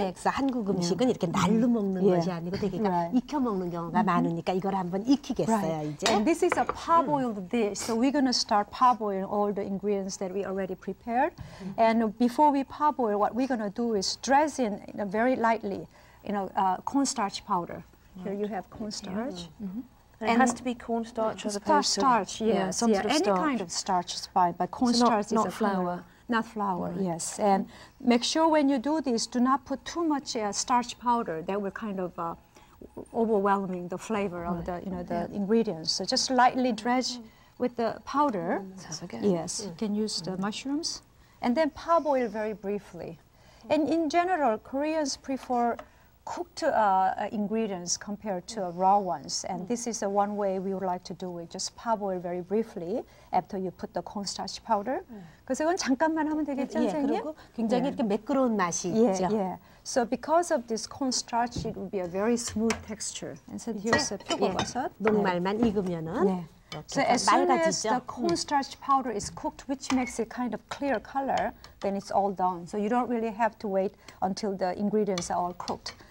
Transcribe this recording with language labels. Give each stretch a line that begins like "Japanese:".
Korean: 예, 그래서 한국 음식은 이렇게 날로 먹는 것이 아니고 되게 익혀 먹는 경우가 많으니까 이걸 한번 익히겠어요, 이제.
English: And this is a parboiled dish. So we're going to start parboiling all the ingredients that we already prepared. And before we parboil, what we're going to do is dress in you know, very lightly, you know, cornstarch powder. Here you have cornstarch. And it has to be cornstarch as opposed to starch. Any kind of starch is fine, but cornstarch is not flour. Not flour, yes. And make sure when you do this, do not put too much starch powder. That will kind of overwhelming the flavor of the ingredients. So just lightly dredge. with the powder. Sounds good. Yes, you can use the mushrooms. And then parboil very briefly. And in general, Koreans prefer cooked ingredients compared to raw ones. And this is the one way we would like to do it. Just parboil very briefly after you put the cornstarch powder.
Korean: 그래서 이건 잠깐만 하면 되겠죠, 예, 선생님? 그리고 굉장히 이렇게 매끄러운 맛이 예, 있죠.
English: Yeah. So because of this cornstarch, it will be a very smooth texture. And so here's the 표고버섯.
Korean: 녹말만 익으면은. 네.
English: So as soon as the cornstarch powder is cooked, which makes it kind of clear color, then it's all done. So you don't really have to wait until the ingredients are all cooked.